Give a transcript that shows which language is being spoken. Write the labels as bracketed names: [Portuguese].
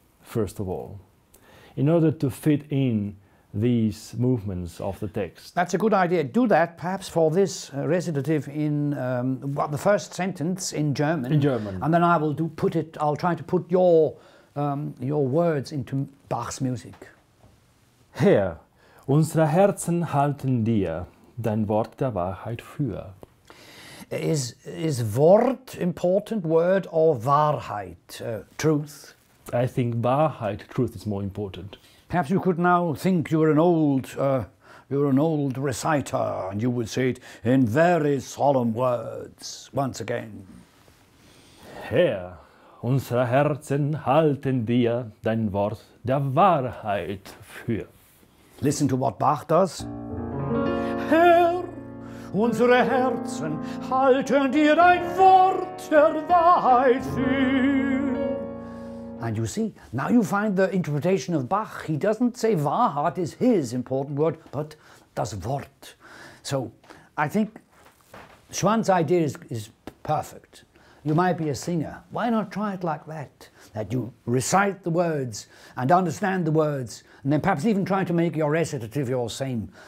[English] first of all, in order to fit in these movements of the text. That's a good idea. Do that perhaps for this recitative in the first sentence in German. In German. And then I will try to put your words into Bach's music. [German] Herr, unsere Herzen halten dir dein Wort der Wahrheit für. [English] Is Wort important, word or Wahrheit, truth? I think Wahrheit, truth, is more important. Perhaps you could now think you're an old reciter, and you would say it in very solemn words once again. [German] Herr, unsere Herzen halten dir dein Wort der Wahrheit für. [English] Listen to what Bach does. [German] Herr, unsere Herzen halten dir dein Wort der Wahrheit für. [English] And you see, now you find the interpretation of Bach. He doesn't say Wahrheit is his important word, but [German] das Wort. [English] So I think Xoán's idea is perfect. You might be a singer. Why not try it like that? That you recite the words and understand the words, and then perhaps even try to make your recitative your same.